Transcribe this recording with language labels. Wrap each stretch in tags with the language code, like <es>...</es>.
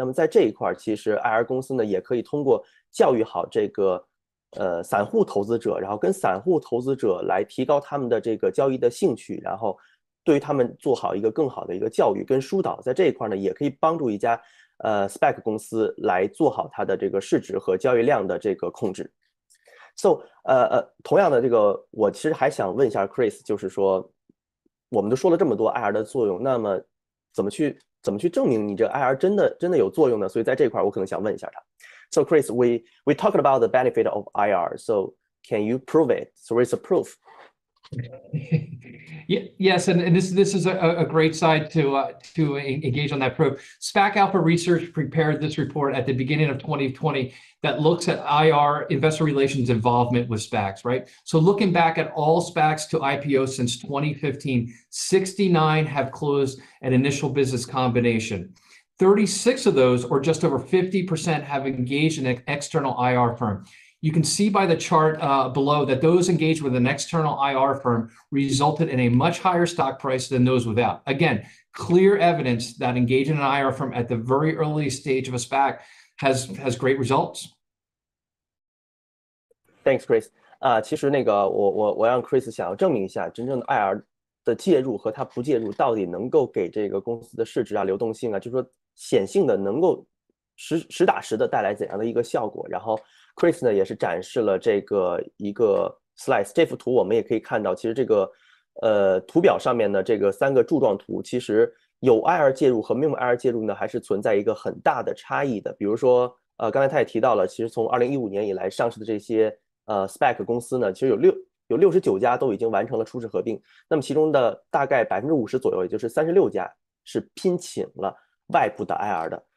<zh>那么在这一块其实 IR 公司呢也可以通过教育好这个散户投资者，然后跟散户投资者来提高他们的这个交易的兴趣，然后对于他们做好一个更好的一个教育跟疏导，在这一块呢也可以帮助一家SPAC 公司来做好他的这个市值和交易量的这个控制。 So 同样的这个我其实还想问一下 Chris， 就是说我们都说了这么多 IR 的作用，那么怎么去证明你这 IR 真的有作用呢？所以在这块我可能想问一下他。</zh> <en>So Chris, we talked about the benefit of IR. So can you prove it? So where's the proof? Yes, and this is a great side to engage on that proof. SPAC Alpha Research prepared this report at the beginning of 2020 that looks at IR investor relations involvement with SPACs, right? So looking back at all SPACs to IPO since 2015, 69 have closed an initial business combination. 36 of those, or just over 50%, have engaged an external IR firm. You can see by the chart below that those engaged with an external IR firm resulted in a much higher stock price than those without. Again, clear evidence that engaging an IR firm at the very early stage of a SPAC has great results. Thanks, Chris.</en> <zh>其实那个我让 Chris 想要证明一下真正的 IR 的介入和他不介入到底能够给这个公司的市值啊流动性啊就是说显性的能够实打实的带来怎样的一个效果。然后 Chris 呢也是展示了这个一个 slice， 这幅图我们也可以看到，其实这个图表上面的这个三个柱状图其实有 IR 介入和没有 IR 介入呢还是存在一个很大的差异的。比如说刚才他也提到了，其实从2015年以来上市的这些SPAC 公司呢，其实有69家都已经完成了初始合并，那么其中的大概 50% 左右，也就是36家是聘请了外部的 IR 的。</zh>